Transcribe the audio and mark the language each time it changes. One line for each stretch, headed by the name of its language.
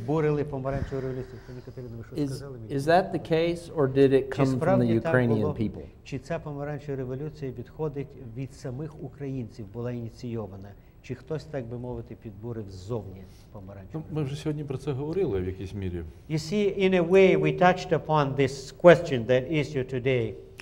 English: Is that the case, or did it come from the Ukrainian people?
Ukrainian: Чи ця помаранча революція відходить від самих українців, була ініційована? Чи хтось, так би мовити, підбурив ззовні помаранчу? Ми вже сьогодні про це говорили в якійсь мірі.
English: You see, in a way, we touched upon this question, that issue today.